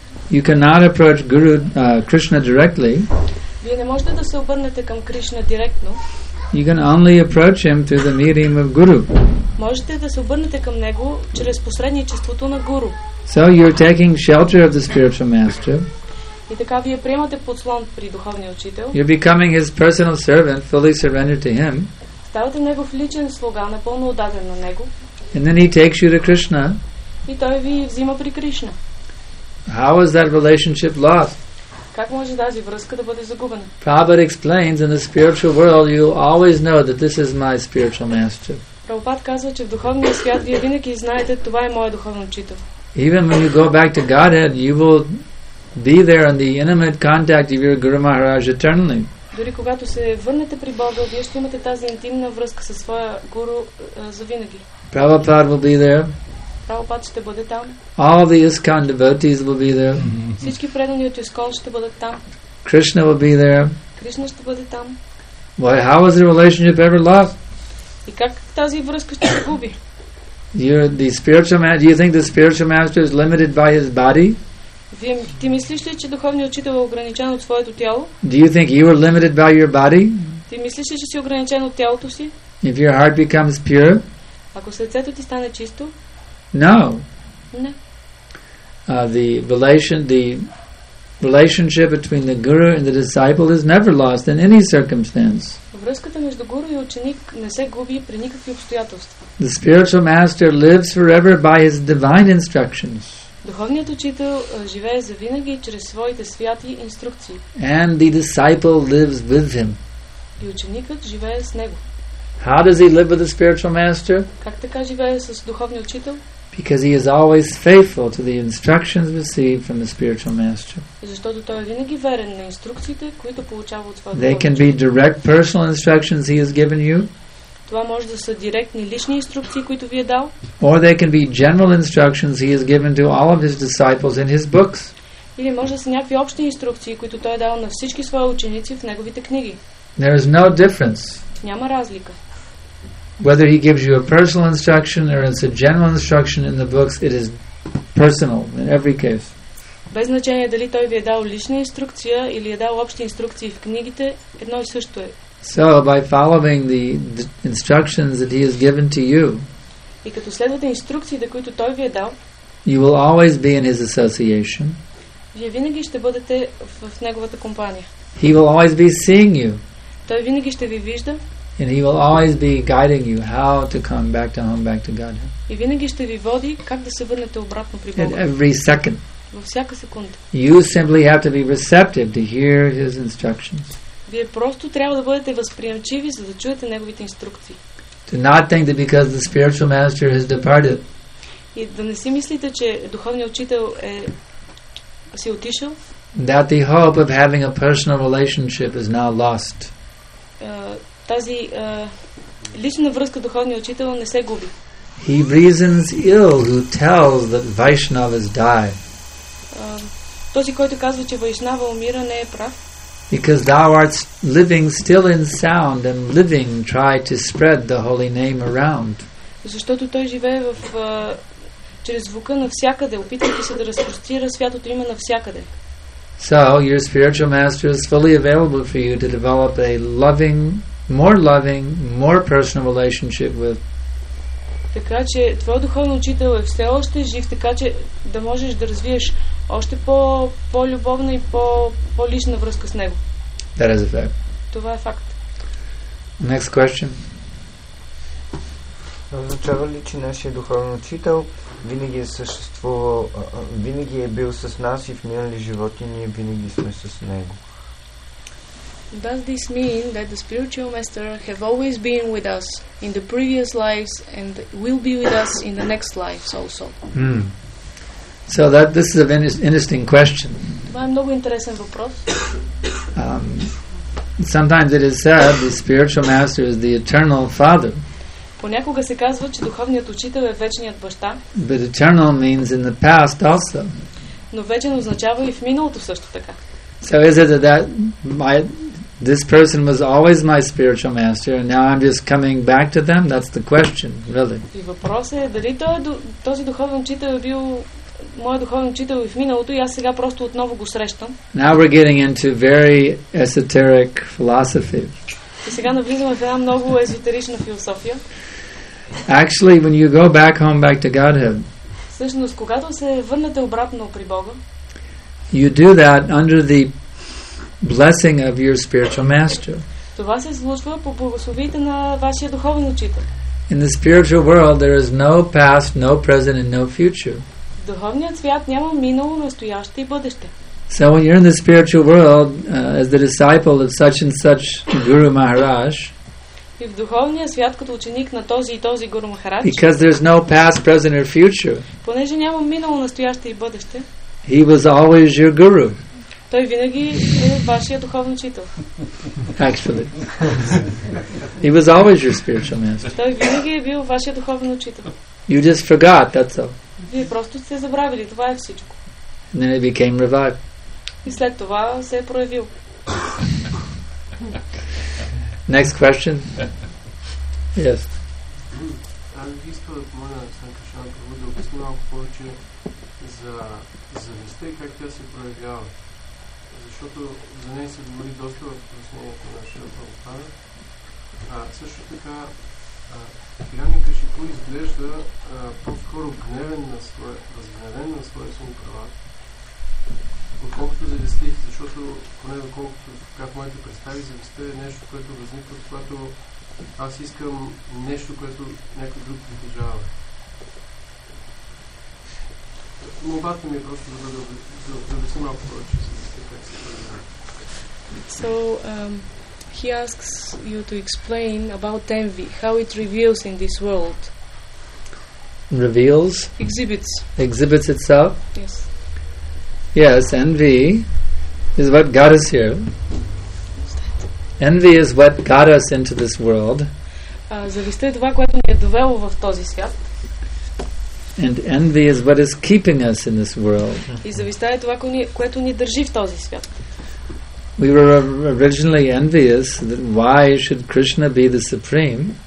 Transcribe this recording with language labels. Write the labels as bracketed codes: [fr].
[en] You cannot approach Guru Krishna directly. [bg] Вие не можете да се обърнете към Кришна директно. [en] You can only approach him through the medium of Guru. [bg] Можете да се обърнете към него чрез посредничеството на Гуру. [en] So you're taking shelter of the spiritual master. [bg] И така вие приемате подслон при духовния учител. [en] You're becoming his personal servant, fully surrendered to him. [bg] Ставате негов личен слуга, напълно отдаден на него. [en] And then he takes you to Krishna. [bg] И той ви взима при Кришна. [en] How is that relationship lost? [bg] Как може тази връзка да бъде загубена? [en] Prabhupada explains in the spiritual world you always know that this is my spiritual master. [bg] Прабхупад казва, че в духовния свят вие винаги знаете, това е моят духовен учител. [en] Even when you go back to Godhead, you will be there in the intimate contact of your Guru Maharaj eternally. [bg] Дори когато се върнете при Бога, вие ще имате тази интимна връзка със своя Гуру за винаги. [en] Prabhupada will be there. [bg] Прабхупад ще бъде там. [en] All the ISKCON devotees will be there. [bg] Всички предани от ISKCON ще бъдат там. [en] Krishna will be there. [bg] Кришна ще бъде там. [en] Why, how was the relationship ever lost? [bg] И как тази връзка ще се губи? [en] Do you think the spiritual master is limited by his body? [bg] Ти мислиш ли, че духовният учител е ограничен от своето тяло? [en] Do you think you are limited by your body? [bg] Ти мислиш ли, че си ограничен от тялото си? [en] If your heart becomes pure? [bg] Ако сърцето ти стане чисто? [en] No. [bg] Не. [en] The relationship between the guru and the disciple is never lost in any circumstance. [bg] Връзката между гуру и ученик не се губи при никакви обстоятелства. [en] The spiritual master lives forever by his divine instructions. [bg] Духовният учител живее завинаги чрез своите святи инструкции. [en] And the disciple lives with him. [bg] И ученикът живее с него. [en] How does he live with the spiritual master? [bg] Как така живее с духовния учител? [en] Because he is always faithful to the instructions received from the spiritual master. [bg] Защото той винаги верен на инструкциите, които получава от своя духовен. [en] They can be direct personal instructions he has given you. [bg] Това може да са директни лични инструкции, които ви е дал. [en] Or they can be general instructions he has given to all of his disciples in his books. [bg] Или може да са някакви общи инструкции, които той е дал на всички свои ученици в неговите книги. [en] There is no difference. [bg] Няма разлика. [en] Whether he gives you a personal instruction or it's a general instruction in the books, it is personal in every case. [bg] Без значение дали той ви е дал лична инструкция или е дал общи инструкции в книгите, едно и също е. [en] So by following the instructions that he has given to you, [bg] и като следвате инструкциите, които той ви е дал, [en] you will always be in his association. [bg] Вие винаги ще бъдете в неговата компания. [en] He will always be seeing you. [bg] Той винаги ще ви вижда. [en] And he will always be guiding you how to come back to home, back to God. [bg] И винаги ще ви води как да се върнете обратно при Бога. [en] At every second. [bg] Във всяка секунда. [en] You simply have to be receptive to hear his instructions. [bg] Вие просто трябва да бъдете възприемчиви, за да чуете неговите инструкции. [en] Do not think that because the spiritual master has departed. [bg] И да не си мислите, че духовният учител е си отишъл. [en] That the hope of having a personal relationship is now lost. [bg] Тази лична връзка духовния учител не се губи. [en] He reasons ill who tells that Vaishnava has died. [bg] Този, който казва, че Вайшнава умира, не е прав. [en] Because thou art living still in sound and living, try to spread the holy name around. [bg] Защото той живее в чрез звука навсякъде, опитвайки се да разпростира святото име навсякъде. [en] So your spiritual master is fully available for you to develop a loving, more loving, more personal relationship with. [bg] Така че твой духовен учител е все още жив, така че да можеш да развиеш още по-любовна и по-лична връзка с него. [en] That is a fact. [bg] Това е факт. [en] Next question. [bg] Означава ли, че нашия духовен учител винаги е съществувал, винаги е бил с нас и в минали животи ние винаги сме с него? [en] Does this mean that the spiritual master have always been with us in the previous lives and will be with us in the next lives also? Hmm. So that this is an interesting question. [bg] Това е много интересен въпрос. [en] Sometimes it is said the spiritual master is the eternal father. [bg] Понякога се казва, че духовният учител е вечният баща. [en] But eternal means in the past also. [bg] Но вечен означава и в миналото също така. [en] So is it that this person was always my spiritual master and now I'm just coming back to them? That's the question, really. [bg] И въпросът е дали този духовен учител е бил моя духовен учител и в миналото и аз сега просто отново го срещам. [en] Now we're getting into very esoteric philosophy. [bg] И сега навлизаме в една много езотерична философия. [en] Actually, when you go back home, back to Godhead, [bg] всъщност, когато се върнете обратно при Бога, [en] you do that under the blessing of your spiritual master. [bg] Това се случва по благословията на вашия духовен учител. [en] In the spiritual world, there is no past, no present, and no future. [bg] В духовният свят няма минало, настояще и бъдеще. [en] So when you're in the spiritual world, as the disciple of such and such Guru Maharaj, [bg] и в духовния свят като ученик на този и този Гуру Махарадж, [en] because there's no past, present, or future, [bg] понеже няма минало, настояще и бъдеще, [en] he was always your guru. [bg] Той винаги е вашия духовен учител. [en] Actually, he was always your spiritual master. [bg] Той винаги е бил вашия духовен учител. [en] You just forgot, that's all. [bg] Вие просто сте забравили, това е всичко. [en] And then it became revived. [bg] И след това се е проявил. [en] Next question. Yes. [bg] Аз искам да помоля Санкашан Прабху да обясни малко повече за завистта и как тя се проявява. Защото за нея се говори доста в пояснението на нашия Прабхупада. Също така, Хирани Кашипу изглежда по-скоро гневен на своя, разгневен на своя син Прабхупада. Отколкото завистта, защото поне доколкото, как моите представи, завистта е нещо, което възниква, когато аз искам нещо, което някой друг притежава. Молбата ми е просто да бъде зависи малко повече завистта, как се проявява. [en] So, he asks you to explain about envy, how it reveals in this world. Reveals? Exhibits. Exhibits itself? Yes. Yes, envy is what got us here. Envy is what got us into this world. [bg] Завистта е това, което ни е довело в този свят. [en] And envy is what is keeping us in this world. [bg] И завистта е това, което ни държи в този свят. [en] We were originally envious that why should Krishna be the supreme?